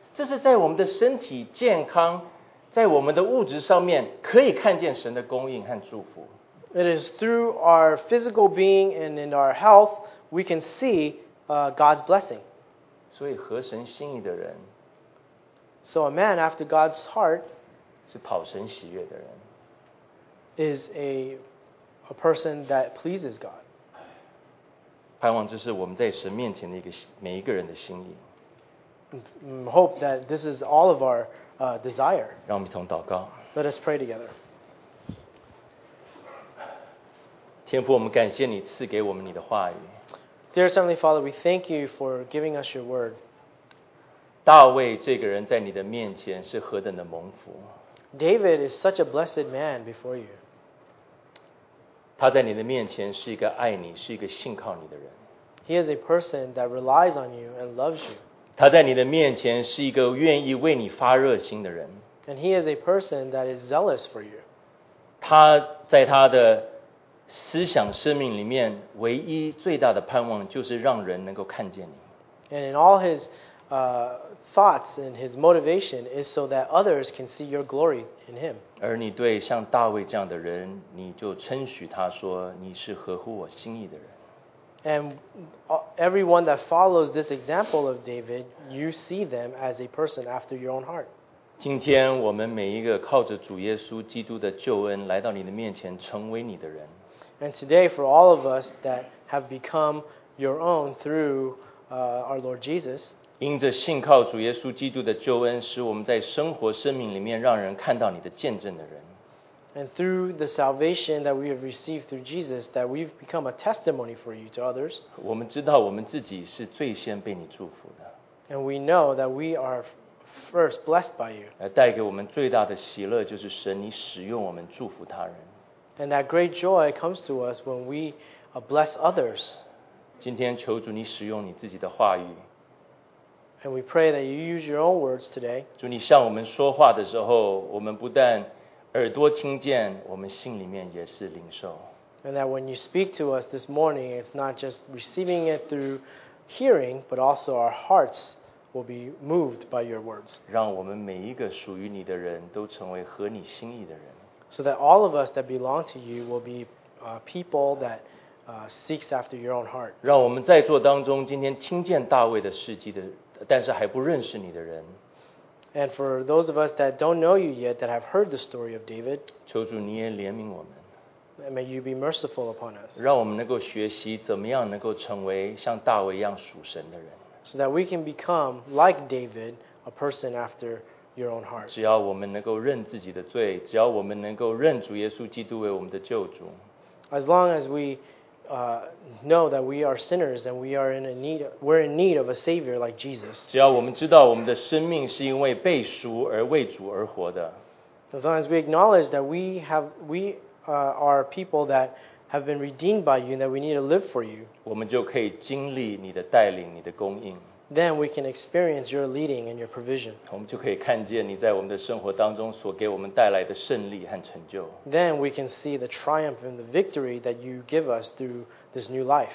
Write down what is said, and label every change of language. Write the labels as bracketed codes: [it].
[zh] 这是在我们的身体健康，在我们的物质上面可以看见神的供应和祝福。 [en] It is through our physical being and in our health we can see God's blessing. [zh] 所以合神心意的人 [en] ，So a man after God's heart [zh] 是讨神喜悦的人 [en] ，is a person that pleases God. [zh] 盼望这是我们在神面前的一个每一个人的心意。 [en] Hope that this is all of our desire. [zh] 让我们一同祷告。 [en] Let us pray together. [zh] 天父，我们感谢你赐给我们你的话语。 [en] Dear Heavenly Father, we thank you for giving us your word. [zh] 大卫这个人在你的面前是何等的蒙福。 [en] David is such a blessed man before you. [zh] 他在你的面前是一个爱你，是一个信靠你的人。 [en] He is a person that relies on you and loves you. [zh] 他在你的面前是一个愿意为你发热心的人。 [en] And he is a person that is zealous for you. [zh] 他在他的思想生命里面唯一最大的盼望就是让人能够看见你。 [en] And in all his thoughts and his motivation is so that others can see your glory in him. [zh] 而你对像大卫这样的人，你就称许他说你是合乎我心意的人。 [en] And everyone that follows this example of David, you see them as a person after your own heart. [zh] 今天我们每一个靠着主耶稣基督的救恩来到你的面前成为你的人。 [en] And today, for all of us that have become your own through our Lord Jesus, [zh] 因着信靠主耶稣基督的救恩，使我们在生活生命里面让人看到你的见证的人。 [en] And through the salvation that we have received through Jesus, that we've become a testimony for you to others. [zh] 我们知道我们自己是最先被你祝福的。 [en] And we know that we are first blessed by you. [zh] 带给我们最大的喜乐就是神你使用我们祝福他人。 [en] And that great joy comes to us when we bless others. [zh] 今天求主你使用你自己的话语。 [en] And we pray that you use your own words today. [zh] 主你向我们说话的时候，我们不但耳朵听见，我们心里面也是领受。 [en] And that when you speak to us this morning, it's not just receiving it through hearing, but also our hearts will be moved by your words. [zh] 让我们每一个属于你的人都成为合你心意的人。 [en] So that all of us that belong to you will be people that seeks after your own heart. [zh] 让我们在座当中今天听见大卫的事迹的，但是还不认识你的人。 [en] And for those of us that don't know you yet, that have heard the story of David, [zh] 求主你也怜悯我们。 [en] May you be merciful upon us. [zh] 让我们能够学习怎么样能够成为像大卫一样属神的人。 [en] So that we can become like David, a person after Your own heart. [zh] 只要我们能够认自己的罪，只要我们能够认主耶稣基督为我们的救主。 [en] As long as we know that we are sinners and we are in a need, we're in need of a savior like Jesus. [zh] 只要我们知道我们的生命是因为被赎而为主而活的。 [en] As long as we acknowledge that we are people that have been redeemed by you and that we need to live for you. [zh] 我们就可以经历你的带领，你的供应。 [en] Then we can experience your leading and your provision. [zh] 我们就可以看见你在我们的生活当中所给我们带来的胜利和成就。 [en] Then we can see the triumph and the victory that you give us through this new life.